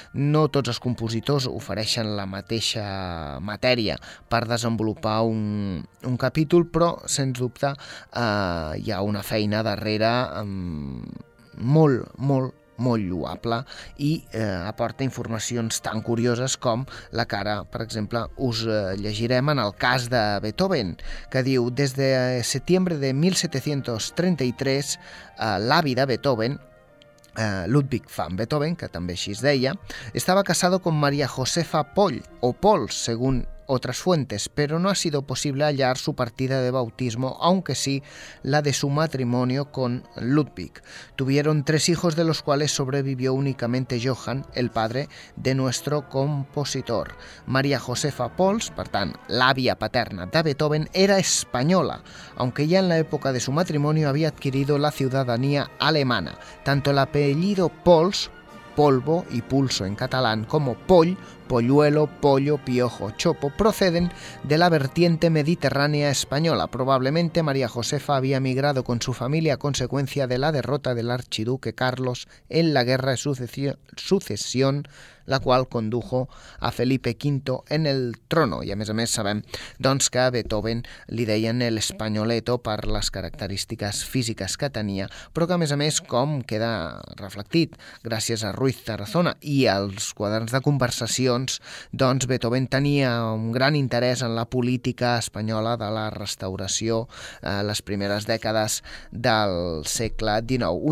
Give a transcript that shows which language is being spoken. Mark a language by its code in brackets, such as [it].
[ca] No tots els compositors ofereixen la mateixa matèria per desenvolupar un capítol, però, sens dubte, hi ha una feina darrere molt, molt, molt lloable, i aporta informacions tan curioses com la que ara, per exemple, us llegirem en el cas de Beethoven, que diu: des de setembre de 1733, l'avi de Beethoven, Ludwig van Beethoven, que també així es deia, estava [es] casado con María Josefa Poll, o Pols, según otras fuentes, pero no ha sido posible hallar su partida de bautismo, aunque sí la de su matrimonio con Ludwig. Tuvieron tres hijos, de los cuales sobrevivió únicamente Johann, el padre de nuestro compositor. María Josefa Pols, [ca] per tant, l'àvia paterna de Beethoven, [es] era española, aunque ya en la época de su matrimonio había adquirido la ciudadanía alemana. Tanto el apellido Pols, polvo y pulso en catalán, como Poll, polluelo, pollo, piojo, chopo, proceden de la vertiente mediterránea española. Probablemente María Josefa había emigrado con su familia a consecuencia de la derrota del archiduque Carlos en la guerra de sucesión, la cual condujo a Felipe V en el trono. [ca] I a més sabem doncs que a Beethoven li deien el españoleto per les característiques físiques que tenia, però que a més com queda reflectit gràcies a Ruiz Tarazona i als quaderns de conversacions, doncs Beethoven tenia un gran interès en la política espanyola de la restauració a les primeres dècades del segle XIX.